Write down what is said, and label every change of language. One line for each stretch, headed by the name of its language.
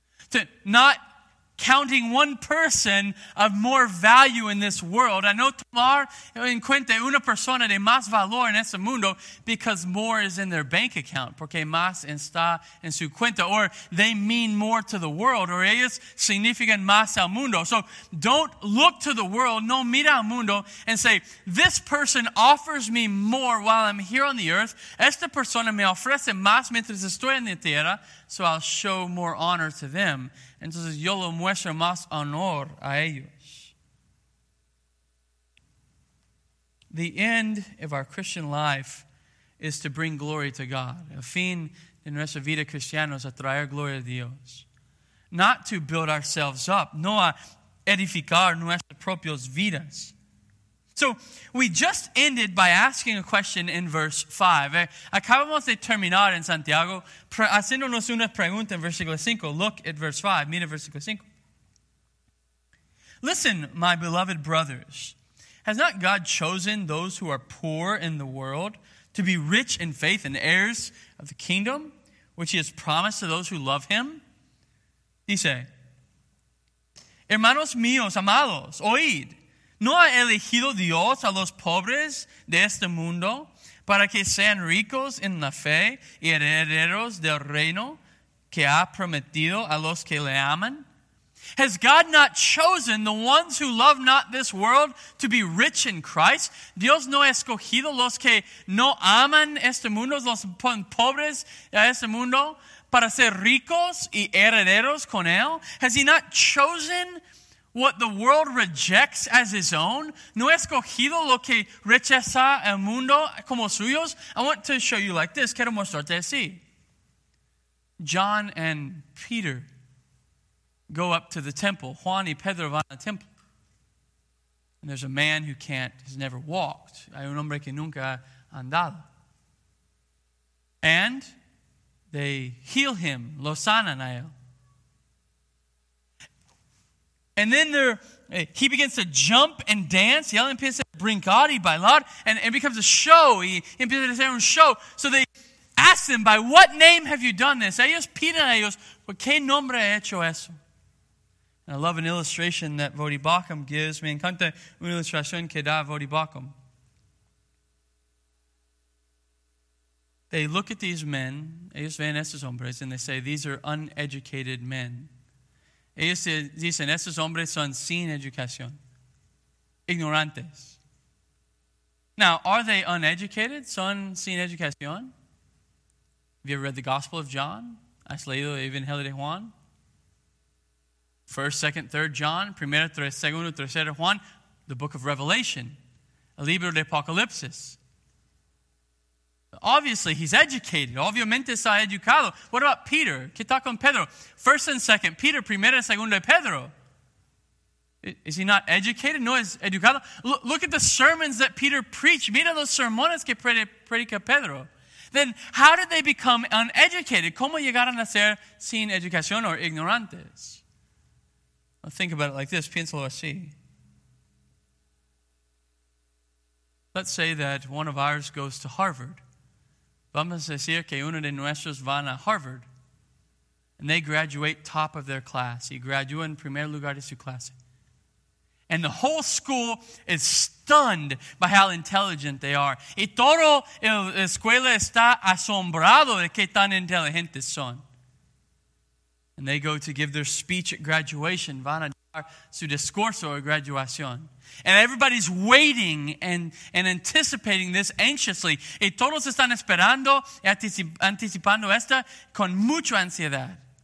English: To not counting one person of more value in this world. I know
Spanish: tomar en cuenta una persona de más valor en ese mundo
English: because more is in their bank account,
Spanish: porque más está en su cuenta,
English: or they mean more to the world, or
Spanish: ellos significan más al mundo.
English: So don't look to the world,
Spanish: no mira al mundo,
English: and say, this person offers me more while I'm here on the earth.
Spanish: Esta persona me ofrece más mientras estoy en la tierra,
English: so I'll show more honor to them.
Spanish: Entonces, yo lo muestro más honor a ellos.
English: The end of our Christian life is to bring glory to God.
Spanish: El fin de nuestra vida cristiana es a traer gloria a Dios.
English: Not to build ourselves up,
Spanish: no a edificar nuestras propias vidas.
English: So, we just ended by asking a question in verse 5.
Spanish: Acabamos de terminar en Santiago haciéndonos una pregunta en versículo 5.
English: Look at verse 5.
Spanish: Mira versículo 5.
English: Listen, my beloved brothers. Has not God chosen those who are poor in the world to be rich in faith and heirs of the kingdom, which he has promised to those who love him?
Spanish: Dice, hermanos míos, amados, oíd. ¿No ha elegido Dios a los pobres de este mundo para que sean ricos en la fe y herederos del reino que ha prometido a los que le aman?
English: ¿Has God not chosen the ones who love not this world to be rich in Christ?
Spanish: ¿Dios no ha escogido los que no aman este mundo, los pobres de este mundo, para ser ricos y herederos con él?
English: ¿Has he not chosen what the world rejects as his own?
Spanish: ¿No he escogido lo que rechaza el mundo como suyos?
English: I want to show you like this.
Spanish: Quiero mostrarte así.
English: John and Peter go up to the temple.
Spanish: Juan y Pedro van al templo.
English: And there's a man who can't, has never walked.
Spanish: Hay un hombre que nunca ha andado.
English: And they heal him.
Spanish: Lo sanan a él.
English: And then there, he begins to jump and dance.
Spanish: Y él empieza a brincar y bailar.
English: And it becomes a show.
Spanish: He empieza a hacer un show.
English: So they ask him, by what name have you done this?
Spanish: Ellos piden a ellos, ¿por qué nombre ha hecho eso?
English: And I love an illustration that Vody Bakum gives.
Spanish: Me encanta una ilustración que da Vody Bakum.
English: They look at these men.
Spanish: Ellos ven estos hombres.
English: And they say, these are uneducated men.
Spanish: Ellos dicen, esos hombres son sin educación, ignorantes.
English: Now, are they uneducated?
Spanish: ¿Son sin educación?
English: Have you ever read the Gospel of John?
Spanish: ¿Has leído el Evangelio de Juan?
English: First, second, third John,
Spanish: primero, tres, segundo, tercero Juan,
English: the book of Revelation,
Spanish: el libro de Apocalipsis.
English: Obviously, he's educated.
Spanish: Obviamente, está educado.
English: What about Peter?
Spanish: ¿Qué tal con Pedro?
English: First and second, Peter,
Spanish: primero y segundo de Pedro.
English: Is he not educated?
Spanish: No, es educado.
English: Look at the sermons that Peter preached.
Spanish: Mira los sermones que predica Pedro.
English: Then, how did they become uneducated?
Spanish: ¿Cómo llegaron a ser sin educación o ignorantes?
English: Well, think about it like this.
Spanish: Piénsalo así.
English: Let's say that one of ours goes to Harvard.
Spanish: Vamos a decir que uno de nuestros van a Harvard.
English: And they graduate top of their class.
Spanish: Y gradúan en primer lugar de su clase.
English: And the whole school is stunned by how intelligent they are.
Spanish: Y todo el escuela está asombrado de qué tan inteligentes son.
English: And they go to give their speech at graduation.
Spanish: Van a dar su discurso a graduación.
English: And everybody's waiting and anticipating this anxiously.
Spanish: Y todos están esperando y anticipando esta con mucha ansiedad.